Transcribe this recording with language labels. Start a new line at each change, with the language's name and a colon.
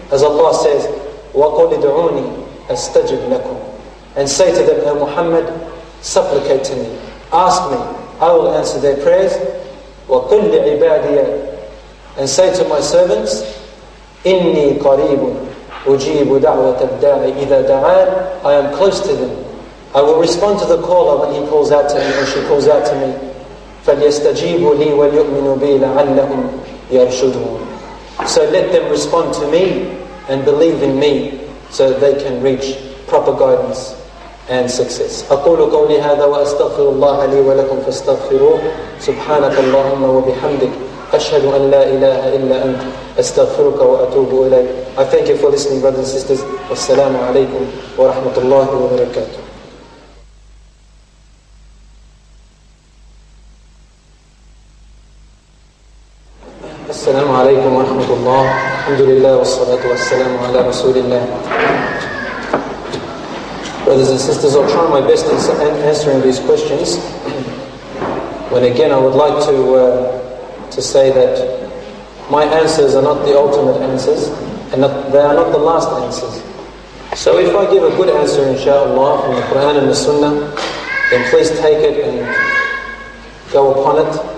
English: As Allah says,
Arabic: وَقُلِ دُعُونِي أَسْتَجِبْ لَكُمْ.
English: And say to them, O Muhammad, supplicate to me. Ask me, I will answer their prayers.
Arabic: وَقُلْ لِعِبَادِيَ.
English: And say to my servants,
Arabic: إِنِّي قَرِيبٌ أُجِيبُ دَعْوَةَ الدَّاعِ إِذَا دَعَانِ.
English: I am close to them. I will respond to the caller when he calls out to me or she calls out to me.
Arabic: فَلْيَسْتَجِيبُ لِي وَلْيُؤْمِنُ بِي لَعَلَّهُمْ يَرْشُدُونَ.
English: So let them respond to me and believe in me so that they can reach proper guidance and success.
Arabic: أقول قولي هذا وأستغفر الله لي ولكم فاستغفروه. سبحانك اللهم وبحمدك أشهد أن لا إله إلا أنت أستغفرك وأتوب إليك.
English: I thank you for listening, brothers and sisters.
Arabic: والسلام عليكم ورحمة الله وبركاته. السلام عليكم ورحمة الله. الحمد لله والصلاة والسلام على رسول الله.
English: Brothers and sisters, I'll try my best in answering these questions. When again, I would like to say that my answers are not the ultimate answers, and not, they are not the last answers. So if I give a good answer, inshallah, from the Quran and the Sunnah, then please take it and go upon it.